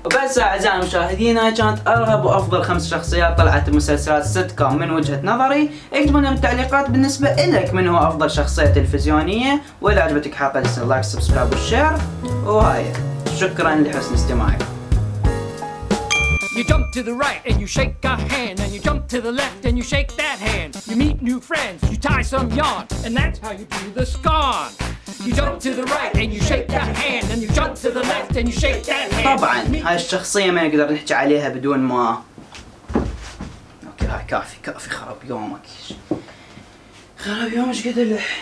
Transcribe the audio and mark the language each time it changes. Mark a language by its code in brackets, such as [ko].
[ar] وبس اعزائي المشاهدين، هاي كانت ارهب وافضل خمس شخصيات طلعت بمسلسلات سيت كوم من وجهة نظري. اكتبوا لنا بالتعليقات بالنسبة لك من هو افضل شخصية تلفزيونية، واذا عجبتك حلقة دسنا لايك سبسكرايب وشير، وهاي شكرا لحسن استماعك. [en] You jump to the right and you shake a hand, and you jump to the left and you shake that hand. You meet new friends, you tie some yarn, and that's how you do the scorn. You jump to the right and you shake a hand, and you jump to the left and you shake that hand. [ar] طبعاً هاي الشخصية ما نقدر نحكي عليها بدون ما. أوكي هاي كافي خرب يومك. خرب يومك قدر له.